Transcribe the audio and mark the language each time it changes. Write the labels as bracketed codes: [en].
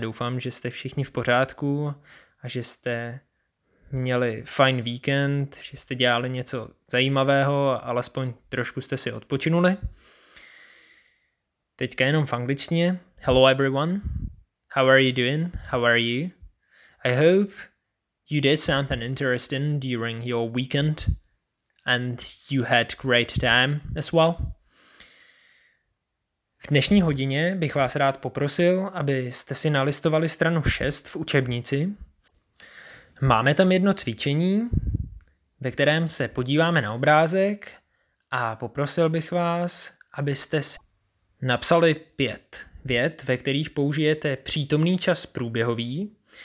[cs] Doufám, že jste všichni v pořádku a že jste měli fajn víkend, že jste dělali něco zajímavého, alespoň trošku jste si odpočinuli. Teďka jenom v angličtině. [en] Hello everyone. How are you doing? How are you? I hope you did something interesting during your weekend and you had great time as well. [cs] V dnešní hodině bych vás rád poprosil, abyste si nalistovali stranu 6 v učebnici. Máme tam jedno cvičení, ve kterém se podíváme na obrázek a poprosil bych vás, abyste si napsali 5 vět, ve kterých použijete přítomný čas průběhový.